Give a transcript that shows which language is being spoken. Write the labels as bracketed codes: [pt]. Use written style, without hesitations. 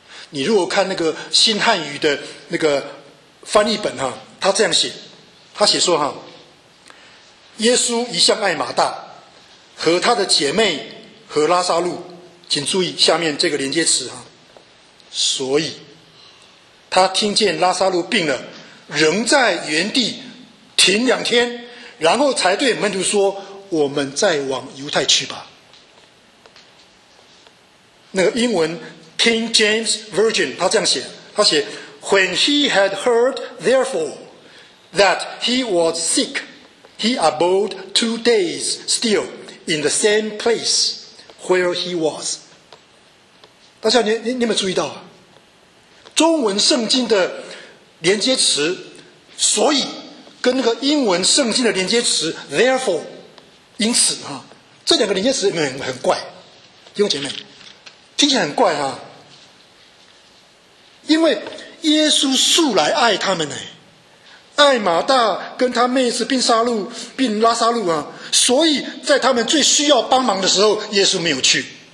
[zh] 你如果看那个新汉语的那个翻译本，他这样写，他写说，耶稣一向爱马大和他的姐妹和拉撒路，请注意下面这个连接词，所以他听见拉撒路病了，仍在原地停两天，然后才对门徒说，我们再往犹太去吧。那个英文 [en] King James Version [zh] 他这样写，他写 [en] When he had heard therefore that he was sick, he abode 2 days still in the same place where he was。 [zh] 大家 你有没有注意到，中文圣经的连接词所以跟那个英文圣经的连接词 therefore 因此，这两个连接词 很怪，弟兄姐妹听起来很怪啊，因为耶稣素来爱他们，爱马大跟他妹子并拉撒路，所以在他们最需要帮忙的时候耶稣没有去。